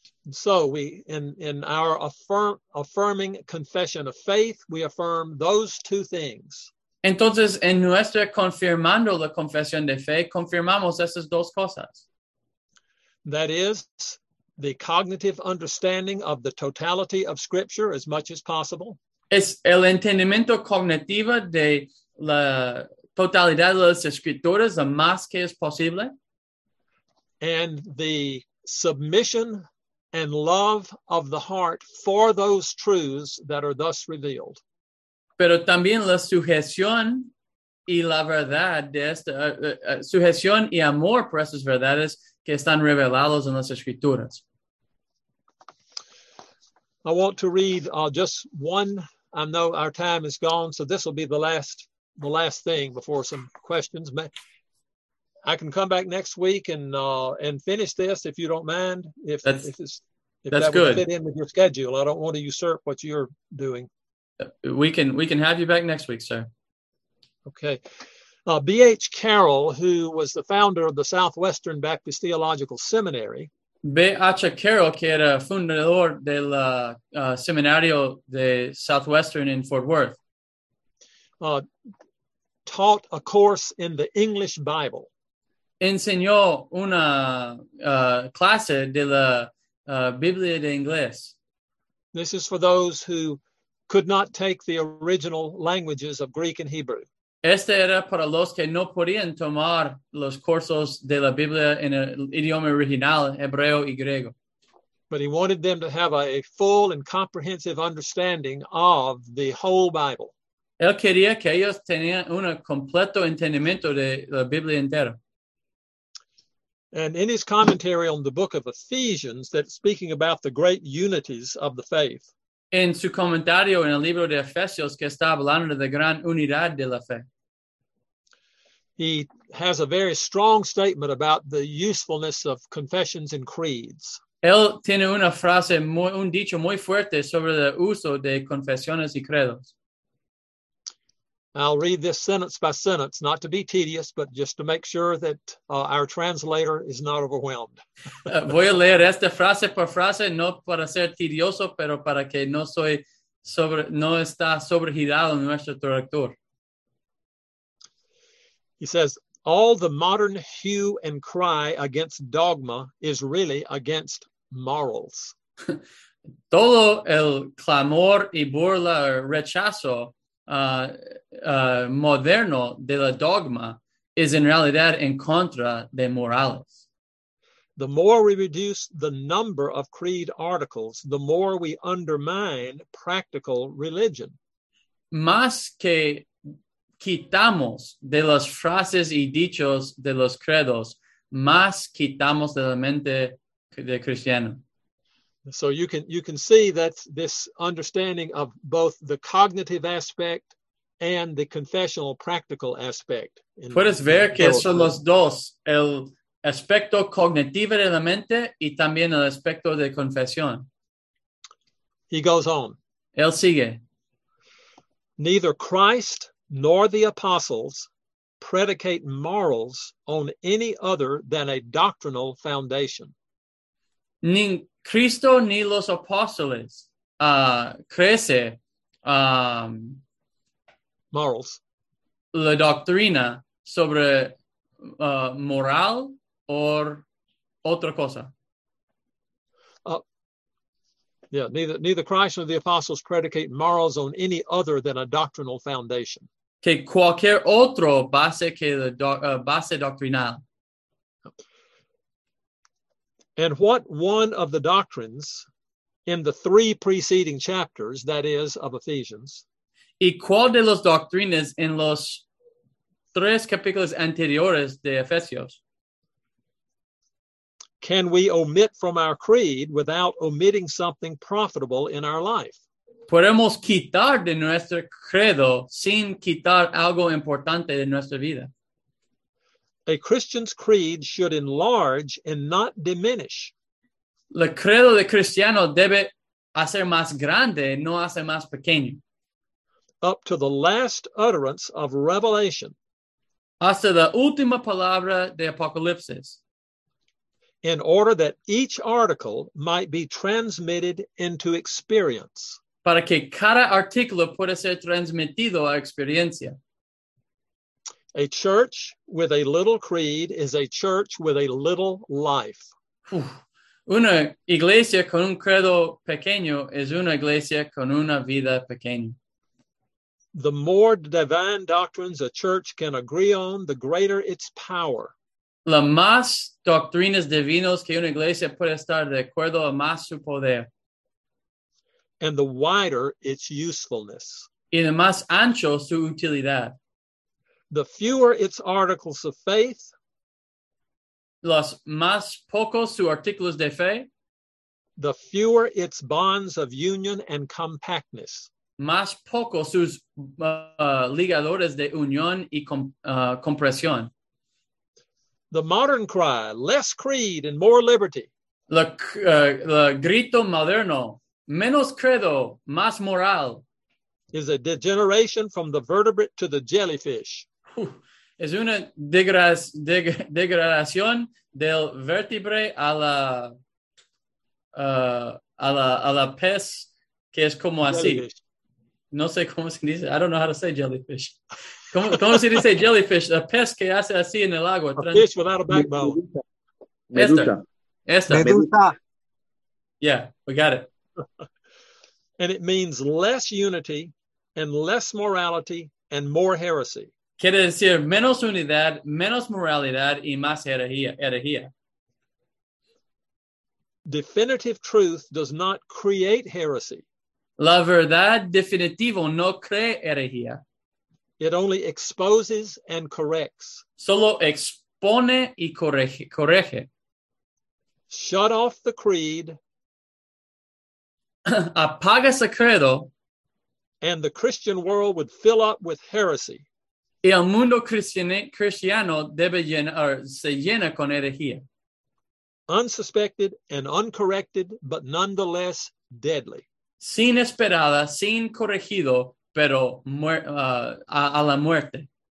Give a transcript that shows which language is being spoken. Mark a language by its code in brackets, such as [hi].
[en] So we, in our affirming confession of faith, we affirm those two things. [es] Entonces, en nuestra confirmando la confesión de fe, confirmamos esas dos cosas. [en] That is the cognitive understanding of the totality of Scripture as much as possible. [es] Es el entendimiento cognitivo de la totalidad de las escrituras lo más que es posible. [en] And the submission and love of the heart for those truths that are thus revealed. [es] Pero también la sujeción y la verdad de esta sujeción y amor por estas verdades que están revelados en las escrituras. [en] I want to read just one. I know our time is gone, so this will be the last thing before some questions. I can come back next week and finish this if you don't mind. If that's good. Would fit in with your schedule. I don't want to usurp what you're doing. We can have you back next week, sir. Okay. B.H. Carroll, who was the founder of the Southwestern Baptist Theological Seminary. [es] B.H. Carroll, que era fundador del seminario de Southwestern in Fort Worth. [en] Taught a course in the English Bible. [es] Enseñó una clase de la Biblia de inglés. [en] This is for those who could not take the original languages of Greek and Hebrew. [es] Este era para los que no podían tomar los cursos de la Biblia en el idioma original, hebreo y griego. [en] But he wanted them to have a full and comprehensive understanding of the whole Bible. [es] Él quería que ellos tenían un completo entendimiento de la Biblia entera. [en] And in his commentary on the book of Ephesians, that's speaking about the great unities of the faith. [es] En su comentario en el libro de Efesios, que está hablando de la gran unidad de la fe. [en] He has a very strong statement about the usefulness of confessions and creeds. [es] Él tiene una frase, un dicho muy fuerte sobre el uso de confesiones y credos. [en] I'll read this sentence by sentence, not to be tedious, but just to make sure that our translator is not overwhelmed. [es] Voy a leer esta frase por frase, no para ser tedioso, pero para que no está sobregirado nuestro traductor. [en] He says, all the modern hue and cry against dogma is really against morals. [es] Todo el clamor y burla o rechazo moderno de la dogma is in realidad en contra de morales. [en] The more we reduce the number of creed articles, the more we undermine practical religion. [es] Más que quitamos de las frases y dichos de los credos, más quitamos de la mente de cristiano. [en] So you can see that this understanding of both the cognitive aspect and the confessional practical aspect. [es] Puedes ver que son los dos, el aspecto cognitivo de la mente y también el aspecto de confesión. [en] He goes on. [es] Él sigue. [en] Neither Christ nor the apostles predicate morals on any other than a doctrinal foundation. [es] Cristo ni los apóstoles crece [en] morals, [es] la doctrina sobre moral o otra cosa. [en] Neither Christ nor the apostles predicate morals on any other than a doctrinal foundation. [es] Que cualquier otro base que la base doctrinal. [en] And what one of the doctrines in the three preceding chapters, that is, of Ephesians. [es] ¿Y cuál de las doctrinas en los tres capítulos anteriores de Efesios? [en] Can we omit from our creed without omitting something profitable in our life? [es] ¿Podemos quitar de nuestro credo sin quitar algo importante de nuestra vida? [en] A Christian's creed should enlarge and not diminish. [es] El credo de cristiano debe hacer más grande, no hacer más pequeño. [en] Up to the last utterance of Revelation. [es] Hasta la última palabra de Apocalipsis. [en] In order that each article might be transmitted into experience. [es] Para que cada artículo pueda ser transmitido a experiencia. [en] A church with a little creed is a church with a little life. [es] Una iglesia con un credo pequeño es una iglesia con una vida pequeña. [en] The more divine doctrines a church can agree on, the greater its power. [es] La más doctrinas divinas que una iglesia puede estar de acuerdo, a más su poder. [en] And the wider its usefulness. [es] Y la más ancho su utilidad. [en] The fewer its articles of faith. [es] Los más pocos su artículos de fe. [en] The fewer its bonds of union and compactness. [es] Más pocos sus ligadores de unión y compresión. [en] The modern cry, less creed and more liberty. [es] El grito moderno, menos credo, más moral. [en] Is a degeneration from the vertebrate to the jellyfish. [es] Es una degradación del vértebre a la pez, que es como así. [en] Jellyfish. [es] No sé cómo se dice. [en] I don't know how to say jellyfish. [es] ¿Cómo se dice jellyfish? A pez que hace así en el agua. [en] A fish without a backbone. [es] Medusa. [en] Yeah, we got it. And it means less unity and less morality and more heresy. [es] Quiere decir menos unidad, menos moralidad y más herejía. [en] Definitive truth does not create heresy. [es] La verdad definitiva no crea herejía. [en] It only exposes and corrects. [es] Solo expone y corrige. [en] Shut off the creed. [es] Apaga el credo. [en] And the Christian world would fill up with heresy. [es] Y el mundo cristiano debe se llena con herejía. [en] Unsuspected and uncorrected, but nonetheless deadly. [es] Sin esperada, sin corregido, pero a la muerte.